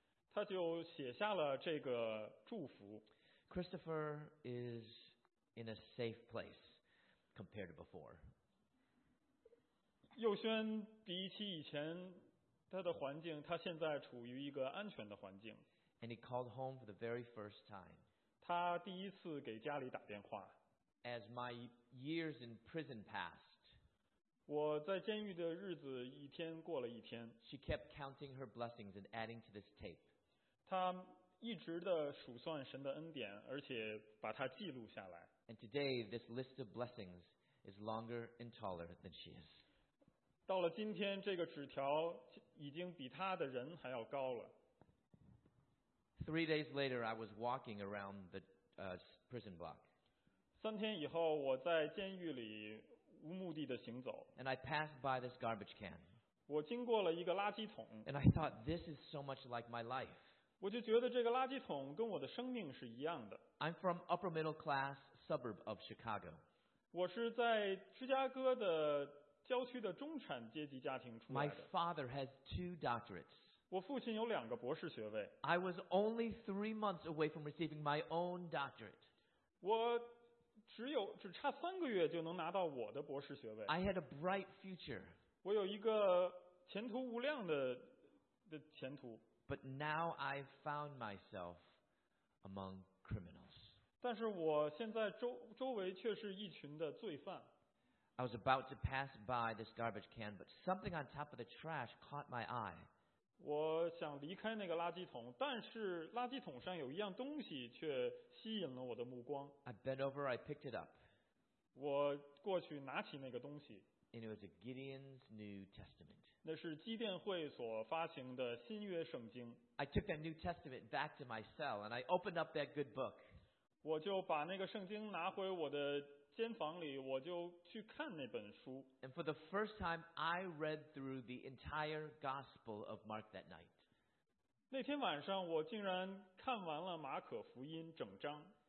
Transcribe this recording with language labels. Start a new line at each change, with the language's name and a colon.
Chinese: 她就写下了这个祝福。
English: Christopher is in a safe place. Compared to before,
Chinese: 佑轩比起以前，他的环境，他现在处于一个安全的环境。
English: And he called home for the very first time.
Chinese: 他第一次给家里打电话。
English: As my years in prison passed,
Chinese: 我在监狱的日子一天过了一天。
English: She kept counting her blessings and adding to this tape.
Chinese: 她一直的数算神的恩典，而且把它记录下来。
English: And today, this list of blessings is longer and taller than she is.
Chinese: 到了今天，这个纸条已经比她的人还要高了。
English: 3 days later, I was walking around the prison block. 3 days
Chinese: 以后，我在监狱里无目的的行走。
English: And I passed by this garbage can.
Chinese: 我经过了一个垃圾桶。
English: And I thought, this is so much like my life.
Chinese: 我就觉得这个垃圾桶跟我的生命是一样的。
English: I'm from upper middle class suburb of Chicago.
Chinese: 我是在芝加哥的郊区的中产阶级家庭出来的。
English: My father has 2 doctorates.
Chinese: 我父亲有两个博士学位。
English: I was only 3 months away from receiving my own doctorate.
Chinese: 我只差3个月就能拿到我的博士学位。
English: I had a bright future.
Chinese: 我有一个前途无量的前途。
English: But now I found myself among criminals.
Chinese: 但是我现在周围却是一群的罪犯。
English: I was about to pass by this garbage can, but something on top of the trash caught my eye.
Chinese: 我想离开那个垃圾桶，但是垃圾桶上有一样东西却吸引了我的目光。
English: I bent over, I picked it up.
Chinese: 我过去拿起那个东西。
English: And it was a Gideon's New Testament.
Chinese: 那是基甸会所发行的新约圣经。
English: I took that New Testament back to my cell and I opened up that good book.
Chinese: 我就把那个圣经拿回我的监房里，我就去看那本书。
English: And for the first time, I read through the entire Gospel of Mark that night.
Chinese: 那天晚上，我竟然看完了马可福音整章。